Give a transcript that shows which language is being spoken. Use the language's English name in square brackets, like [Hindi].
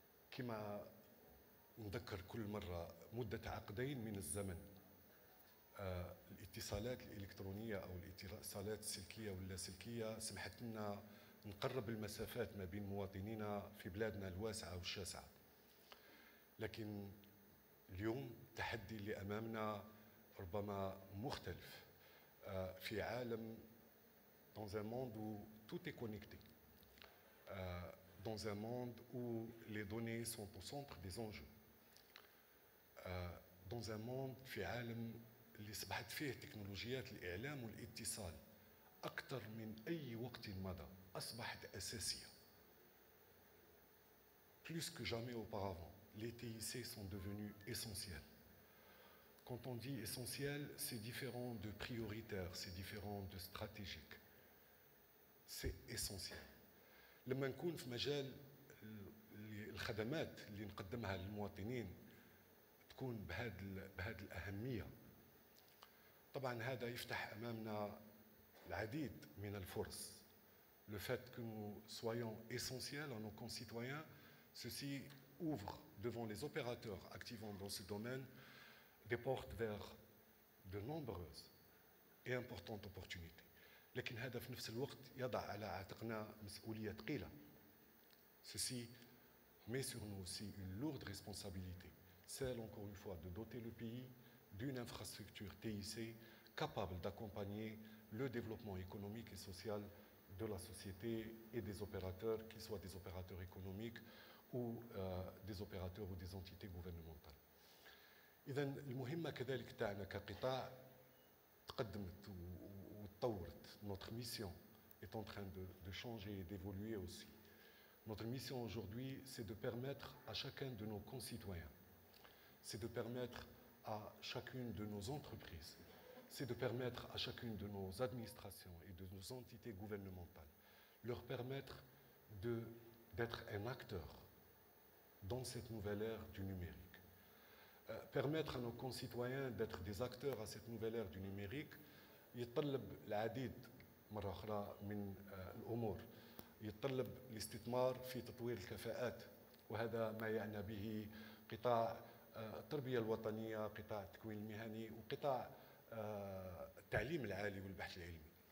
[Arabic] كما نذكر كل مرة، مدة عقدين من الزمن الاتصالات الإلكترونية أو الاتصالات السلكية واللاسلكية سمحت لنا نقرب المسافات ما بين مواطنينا في بلادنا الواسعة والشاسعة، لكن اليوم التحدي اللي أمامنا ربما مختلف. في عالم [French] dans un monde où tout est connecté, dans un monde où les données sont au centre des enjeux, dans un monde [Arabic] في عالم اللي صبحت فيه تكنولوجيات الإعلام والاتصال أكثر من أي وقت مضى أصبحت أساسية. [French] Plus que jamais auparavant, les TIC sont devenus essentiels. Quand on dit essentiel, c'est différent de prioritaire, c'est différent de stratégique. C'est essentiel. [Arabic] لما نكون في مجال الخدمات اللي نقدمها للمواطنين تكون بهذا الأهمية، طبعا هذا يفتح أمامنا العديد من الفرص. [French] Le fait que nous soyons essentiels à nos concitoyens, ceci ouvre devant les opérateurs activant dans ce domaine des portes vers de nombreuses et importantes opportunités. [Arabic] لكن هذا في نفس الوقت يضع على عاتقنا مسؤولية ثقيلة. [French] Ceci met sur nous aussi une lourde responsabilité, celle encore une fois de doter le pays d'une infrastructure TIC capable d'accompagner le développement économique et social de la société et des opérateurs, qu'ils soient des opérateurs économiques ou des opérateurs ou des entités gouvernementales. [Arabic] إذن المهمة كذلك تاعنا كقطاع تقدمت وتطورت. [French] Notre mission est en train de changer et d'évoluer aussi. Notre mission aujourd'hui, c'est de permettre à chacun de nos concitoyens, c'est de permettre à chacune de nos entreprises, c'est de permettre à chacune de nos administrations et de nos entités gouvernementales, leur permettre d'être un acteur dans cette nouvelle ère du numérique. Permettre à nos concitoyens d'être des acteurs à cette nouvelle ère du numérique, [Arabic] يطلب العديد مرة أخرى من الأمور. يطلب الاستثمار في تطوير الكفاءات، وهذا ما يعنى به قطاع التربية الوطنية، قطاع التكوين المهني، وقطاع التعليم العالي والبحث العلمي.